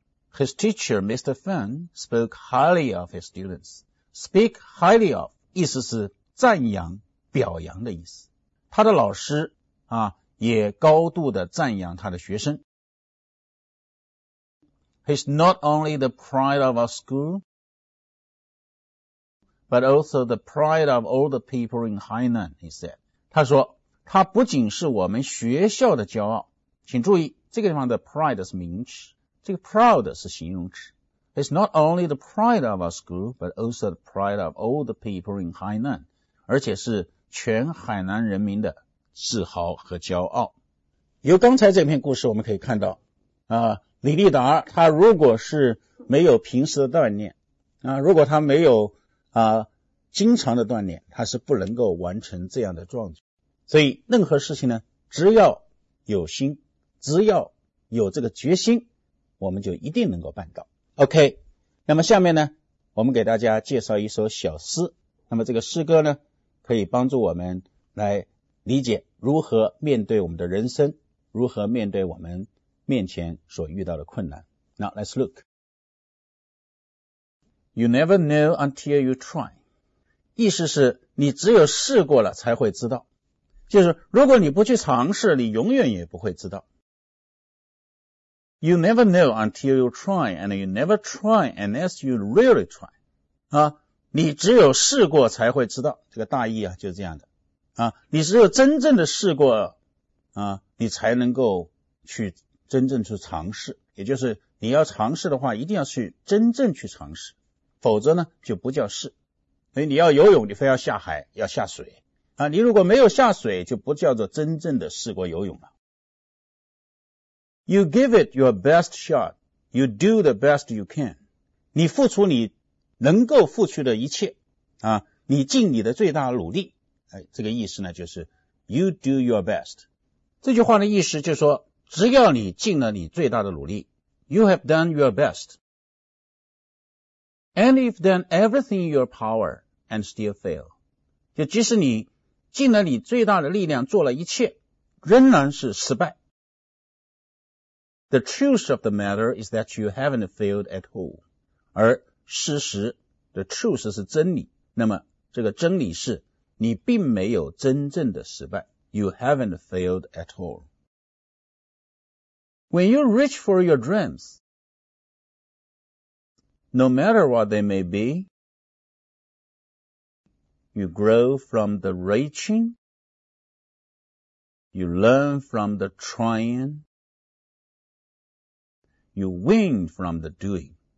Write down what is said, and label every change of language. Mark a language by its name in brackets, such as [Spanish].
[English] His teacher, Mr. Fan, spoke highly of his students. Speak highly of, [Chinese] 意思是赞扬、表扬的意思。他的老师啊，也高度的赞扬他的学生。 [English] He's not only the pride of our school, but also the pride of all the people in Hainan, he said. [Chinese] 他说，他不仅是我们学校的骄傲。请注意，这个地方的 pride 是名词。这个 proud 是形容词。 [English] It's not only the pride of our school, but also the pride of all the people in Hainan. [Chinese] 而且是全海南人民的自豪和骄傲。由刚才这篇故事我们可以看到李立达他如果是没有平时的锻炼如果他没有经常的锻炼他是不能够完成这样的壮举。所以任何事情呢只要有心只要有这个决心我们就一定能够办到。 OK, 那么下面呢我们给大家介绍一首小诗。那么这个诗歌呢可以帮助我们来理解如何面对我们的人生如何面对我们面前所遇到的困难。 [English] Now, let's look. You never know until you try. [Chinese] 意思是你只有试过了才会知道。就是如果你不去尝试你永远也不会知道。 [English] You never know until you try, and you never try unless you really try. [Chinese] 你只有试过才会知道，这个大意啊，就是这样的。你只有真正的试过，你才能够去真正去尝试。也就是你要尝试的话，一定要去真正去尝试，否则呢，就不叫试。所以你要游泳，你非要下海，要下水。你如果没有下水，就不叫做真正的试过游泳了。 [English] You give it your best shot. You do the best you can. [Chinese] 你付出你能够付出的一切你尽你的最大努力这个意思呢就是 [English] You do your best. [Chinese] 这句话的意思就是说只要你尽了你最大的努力 [English] You have done your best. And you've done everything in your power and still fail. [Chinese] 就即使你尽了你最大的力量做了一切仍然是失败。 [English] The truth of the matter is that you haven't failed at all. [Chinese] 而事实 , [English] the truth [Chinese] 是真理。那么这个真理是你并没有真正的失败。 [English] You haven't failed at all. When you reach for your dreams, no matter what they may be, you grow from the reaching, you learn from the trying, you win from the doing.